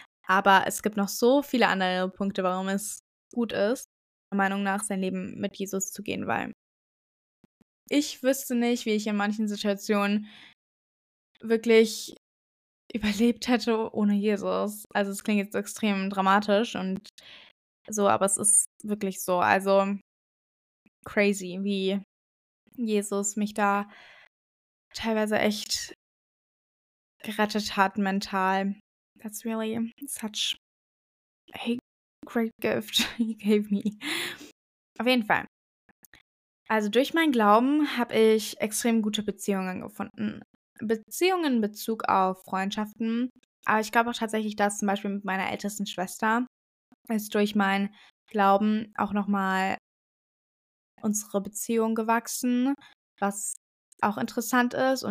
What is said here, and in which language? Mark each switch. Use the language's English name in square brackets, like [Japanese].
[German] Aber es gibt noch so viele andere Punkte, warum es gut ist, meiner Meinung nach, sein Leben mit Jesus zu gehen, weil ich wüsste nicht, wie ich in manchen Situationen wirklich überlebt hätte ohne Jesus. Also es klingt jetzt extrem dramatisch und so, aber es ist wirklich so. Also crazy, wie Jesus mich da teilweise echt gerettet hat mental. [English] That's really such a great gift he gave me. [German] Auf jeden Fall. Also durch meinen Glauben habe ich extrem gute Beziehungen gefunden. Beziehungen in Bezug auf Freundschaften. Aber ich glaube auch tatsächlich, dass zum Beispiel mit meiner ältesten Schwester ist durch meinen Glauben auch nochmal unsere Beziehung gewachsen, was auch interessant ist.